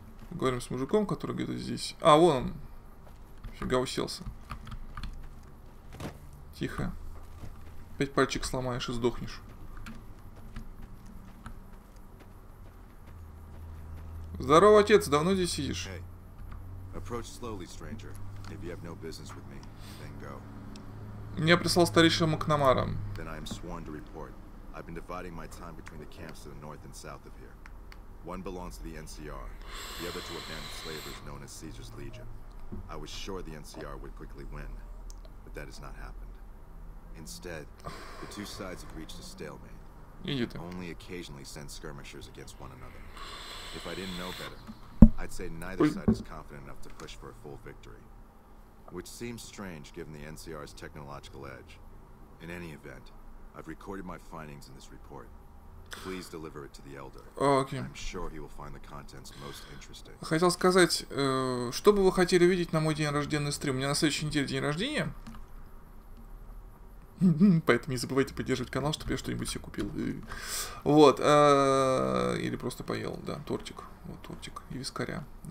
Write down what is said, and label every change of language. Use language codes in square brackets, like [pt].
[ru] Поговорим с мужиком, который где-то здесь. А, вон он. Фига уселся. Тихо. Опять пальчик сломаешь и сдохнешь. Здорово, отец, давно здесь сидишь? [en] Hey. Approach slowly, stranger. If you have no business with me, then go. [ru] Меня прислал старейшина Макнамара. [en] Then I am sworn to report. I've been dividing my time between the camps to the north and south of here. One belongs to the NCR, the other to a band of slavers known as Caesar's Legion. I was sure the NCR would quickly win, but that has not happened. Instead, the two sides have reached a stalemate. [ru] Иди ты. [en] Only occasionally send skirmishers against one another. If I didn't know better, I'd say neither side is confident enough to push for a full victory. Which seems strange given the NCR's technological edge. In any event, I've recorded my findings in this report. Please deliver it to the elder. Okay. I'm sure he will find the contents most interesting. [ru] Хотел сказать, что бы вы хотели видеть на мой день рождения стрим? У меня на следующей неделе день рождения. Поэтому не забывайте поддерживать канал, чтобы я что-нибудь себе купил. Вот. Или просто поел, да, тортик. Вот тортик и вискаря.